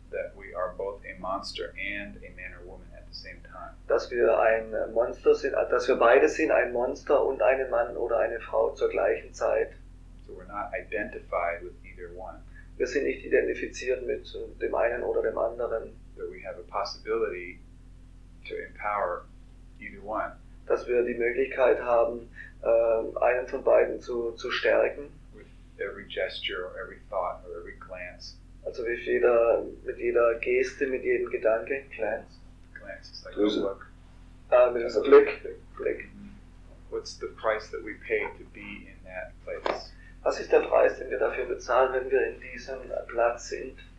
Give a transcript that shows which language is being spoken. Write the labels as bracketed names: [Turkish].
[English] That we are both a monster and a man or woman at the same time. [German] Dass wir ein Monster sind, dass wir beide sind, ein Monster und einen Mann oder eine Frau zur gleichen Zeit. [English] So we're not identified with either one. [German] Wir sind nicht identifiziert mit dem einen oder dem anderen. [English] That we have a possibility to empower either one. [German] Dass wir die Möglichkeit haben, einen von beiden zu stärken. [English] With every gesture or every thought or every glance. [German] Also mit jeder Geste, mit jedem Gedanke. [English] Glance. Glance is like a look. [German] Mit einem Blick. [English] What's the price that we pay to be in that place? [German] Was ist der Preis, den wir dafür bezahlen, wenn wir in diesem Platz sind?